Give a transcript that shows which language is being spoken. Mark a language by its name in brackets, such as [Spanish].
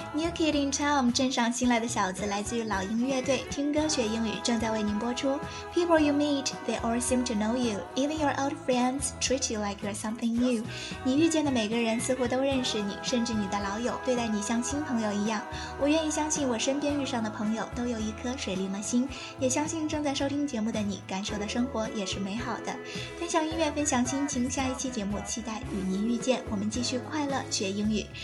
[Chinese] Kid in Town, 镇上新来的小子，来自于老鹰乐队，听歌学英语正在为您播出。 [English] People you meet, they all seem to know you. Even your old friends treat you like you're something new. [Chinese] 你遇见的每个人似乎都认识你，甚至你的老友对待你像新朋友一样。我愿意相信我身边遇上的朋友都有一颗水灵的心，也相信正在收听节目的你感受的生活也是美好的。分享音乐，分享心情，下一期节目期待与您遇见，我们继续快乐学英语。